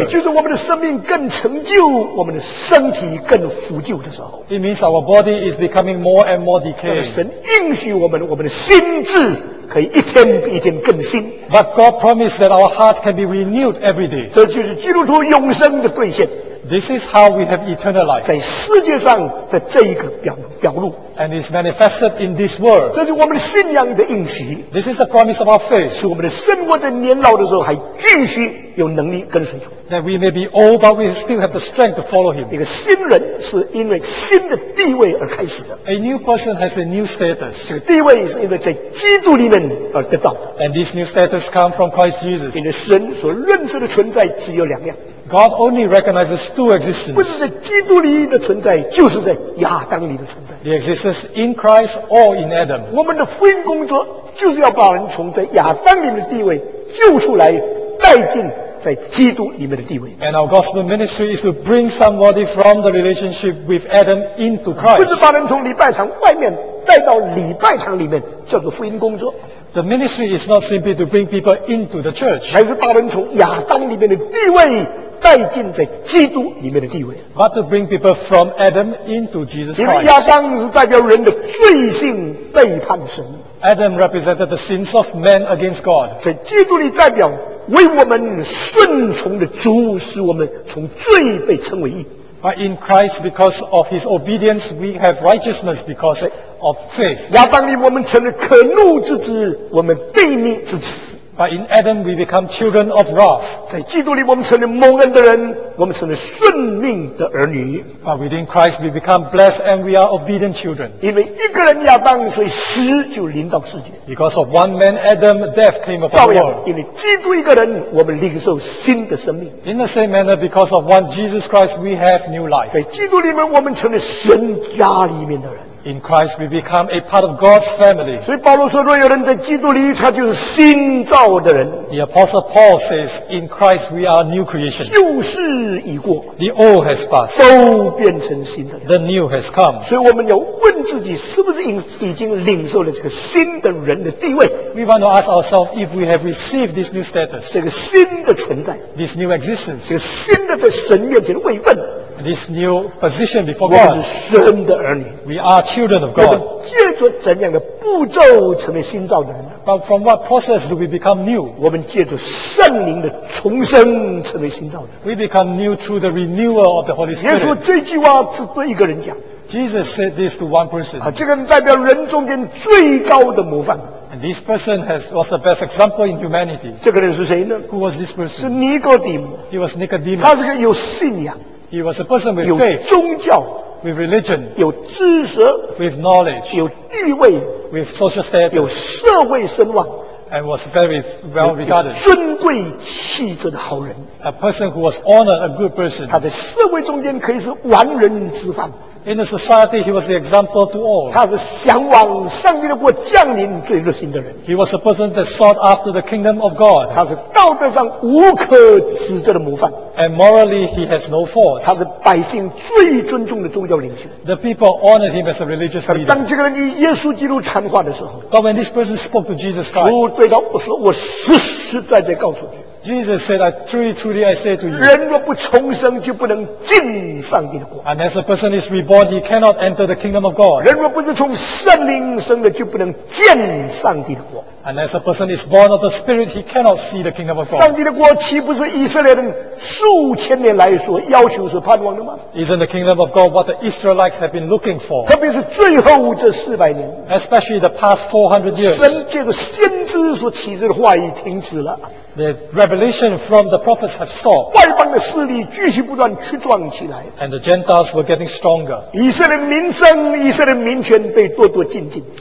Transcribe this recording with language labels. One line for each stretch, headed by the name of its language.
Chinese: 也就是我们的生命更成就，我们的身体更腐旧的时候，
English: it means our body is becoming more and more decaying。
Chinese: 神应许我们，我们的心智可以一天比一天更新。
English: But God promised that our heart can be renewed every day。
Chinese: 这就是基督徒永生的兑现。
English: This is how we have eternal life。
Chinese: 在世界上的这一个 表露。
English: And is manifested in this world。
Chinese: 这是我们信仰的应许。
English: This is the promise of our faith。
Chinese: 使我们的生活在年老的时候还继续有能力跟随主。
English: That we may be old but we still have the strength to follow him。
Chinese: 一个新人是因为新的地位而开始的。
English: A new person has a new status。
Chinese: 这个地位是因为在基督里面而得到的。
English: And this new status comes from Christ Jesus。
Chinese: 因为神所认识的存在只有两样。
English: God only recognizes two existences。
Chinese: 不是在基督里的存在，就是在亚当里的存在。
English: The existence in Christ or in Adam。
Chinese: 我们的福音工作就是要把人从在亚当里面的地位救出来，带进在基督里面的地位。
English: And our gospel ministry is to bring somebody from the relationship with Adam into Christ。
Chinese: 不是把人从礼拜堂外面带到礼拜堂里面，叫做福音工作。
English: The ministry is not simply to bring people into the church.
Chinese: 乃是把人从亚当里面的地位带进在基督里面的地位。
English: But to bring people from Adam into Jesus Christ.
Chinese: 因为亚当是代表人的罪性背叛神。
English: Adam represented the sins of men against God.
Chinese: 在基督里代表为我们顺从的主，使我们从罪被称为义。
English: But in Christ, because of his obedience, we have righteousness because of faith.
Chinese: 亚当里我们成了可怒之子，我们悖逆之子。
English: But in Adam, we become children of wrath.
Chinese: 在基督里我们成了蒙恩的人，我们成了顺命的儿女。
English: But within Christ, we become blessed and we are obedient children.
Chinese: 因为一个人亚当，所以死就临到世界。
English: Because of one man, Adam, death came upon the world.
Chinese: 照样，因为基督一个人，我们领受新的生命。
English: In the same manner, because of one Jesus Christ, we have new life.
Chinese: 在基督里面，我们成了神家里面的人。
English: In Christ, we become a part of God's family.
Chinese: 所以保罗说，若有人在基督里，他就是新造的人。
English: The Apostle Paul says, "In Christ, we are new creation."
Chinese: 旧事已过
English: ，The old has passed.
Chinese: 都变成新的。
English: The new has come.
Chinese: 所以我们要问自己，是不是已经领受了这个新的人的地位
English: ？We want to ask ourselves if we have received this new status.
Chinese: 这个新的存在
English: ，This new existence.
Chinese: 这个新的在神面前的位分。
English: This new position before God.
Chinese: 我们是神的儿女。
English: We are children of God.
Chinese: 我们借着怎样的步骤成为新造的人
English: ？But from what process do we become new?
Chinese: 我们借着圣灵的重生成为新造的人。
English: We become new through the renewal of the Holy Spirit.
Chinese: 耶稣这句话是对一个人讲。
English: Jesus said this to one person.
Chinese: 这个人代表人中间最高的模范。
English: And this person was the best example in humanity.
Chinese: 这个人是谁呢
English: ？Who was this person?
Chinese: 是尼哥底母。
English: He was Nicodemus.
Chinese: 他是个有信仰。
English: He was a person with faith,
Chinese: 有宗教
English: with religion,
Chinese: 有知识
English: with knowledge,
Chinese: 有地位
English: with social status,
Chinese: 有社会声望
English: and was very well regarded,
Chinese: 有尊贵气质的好人
English: a person who was honored, a good person,
Chinese: 他在社会中间可以是完人之范
English: in the society, he was the example to all,
Chinese: 他是向往上帝的国降临最热心的人
English: he was a person that sought after the kingdom of God,
Chinese: 他是道德上无可指责的模范
English: And morally, he has no faults.
Chinese: 他是百姓最尊重的宗教领袖。
English: The people honored him as a religious leader.
Chinese: 当这个人与耶稣基督谈话的时候
English: ，But when this person spoke to Jesus Christ,
Chinese: 主对他说：“我实实在在告诉你。”
English: Jesus said, "I truly, truly, I say to you,
Chinese: 人若不重生，就不能进上帝的国。
English: Unless a person is reborn, he cannot enter the kingdom of God.
Chinese: 人若不是从圣灵生的，就不能见上帝的国。
English: Unless a person is born of the Spirit, he cannot see the kingdom of God.
Chinese: 上帝的国岂不是以色列人？” 数千年来所要求所盼望的吗
English: Isn't the kingdom of God what the Israelites have been looking for?
Chinese: 特别是最后这四百年
English: Especially the past 400 years
Chinese: 神借着先知所启示的话语停止了
English: The revelation from the prophets have stopped
Chinese: 外邦的势力继续不断屈壮起来
English: And the Gentiles were getting stronger
Chinese: 以色列民生以色列民权被咄咄进进